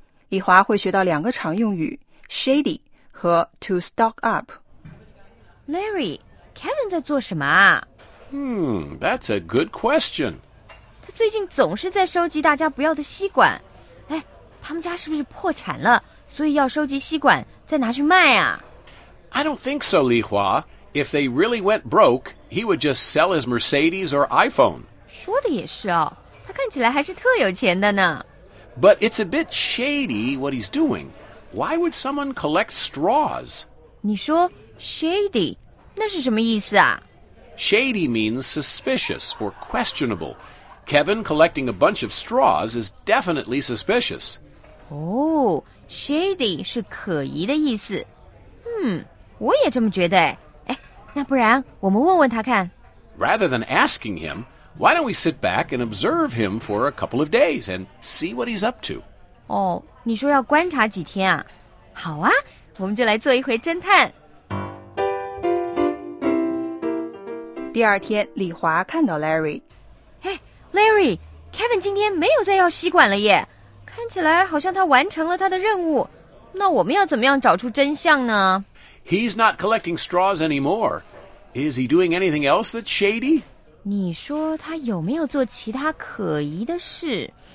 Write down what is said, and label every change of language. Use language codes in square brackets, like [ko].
[zh] 李华会学到两个常用语 shady 和 to stock up。 Larry， Kevin 在做什么啊？ [en] That's a good question。 [zh] 他最近总是在收集大家不要的吸管。哎，他们家是不是破产了，所以要收集吸管再拿去卖啊？ [en] I don't think so, 李华。 If they really went broke, he would just sell his Mercedes or iPhone. [zh] 说的也是哦，他看起来还是特有钱的呢。 [en] But it's a bit shady what he's doing. Why would someone collect straws? [zh] 你说 shady, 那是什么意思啊？ [en] Shady means suspicious or questionable. Kevin collecting a bunch of straws is definitely suspicious. [zh] Shady 是可疑的意思。我也这么觉得。那不然我们问问他看。 [en] Rather than asking him, why don't we sit back and observe him for a couple of days and see what he's up to? [zh] 你说要观察几天啊？好啊，我们就来做一回侦探。第二天，李华看到 Larry。 Larry, Kevin 今天没有再要吸管了耶，看起来好像他完成了他的任务。那我们要怎么样找出真相呢？ [en] He's not collecting straws anymore. Is he doing anything else that's shady? [zh] 你说他有没有做其他可疑的事？